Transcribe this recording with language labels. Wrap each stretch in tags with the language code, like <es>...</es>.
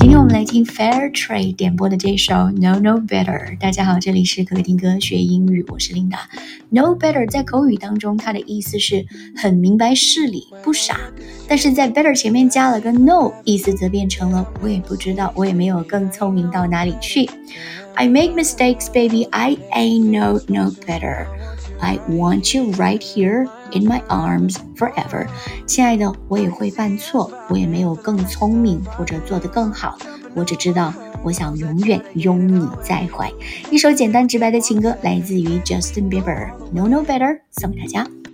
<zh>来听 Fairtrade 点播的这首 No No Better。大家好，这里是可可听歌学英语，我是 Linda。No Better 在口语当中它的意思是很明白事理不傻，但是在 Better 前面加了个 No， 意思则变成了我也不知道，我也没有更聪明到哪里去。</zh> <en>I make mistakes baby I ain't no no betterI want you right here in my arms forever.</en> <zh>亲爱的，我也会犯错，我也没有更聪明或者做得更好，我只知道我想永远拥你在怀。一首简单直白的情歌，来自于 Justin Bieber， No No Better 送给大家。</zh>